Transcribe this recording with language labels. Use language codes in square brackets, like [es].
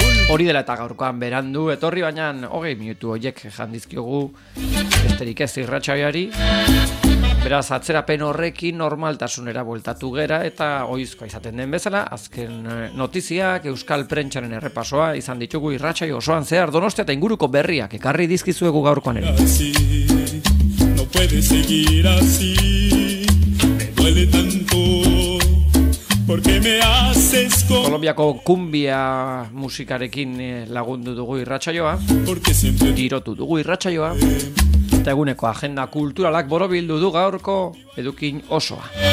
[eu] Hori dela eta gaurkoan berandu, etorri baina hogei minutu horiek jandizkiogu, besterik ez irratsaioari. Beraz, atzerapen horrekin normaltasunera bueltatu gera eta ohizko izaten den bezala, azken notiziak, euskal prentxaren errepasoa izan ditugu irratsaio osoan zehar Donostia eta inguruko berriak ekarri dizkizuegu gaurkoan ere. [es] No puede seguir así, me duele tanto. [eu] Kolombiako kumbia musikarekin lagundu dugu irratsaioa, girotu dugu irratsaioa, eta eguneko agenda kulturalak borobildu du gaurko edukin osoa.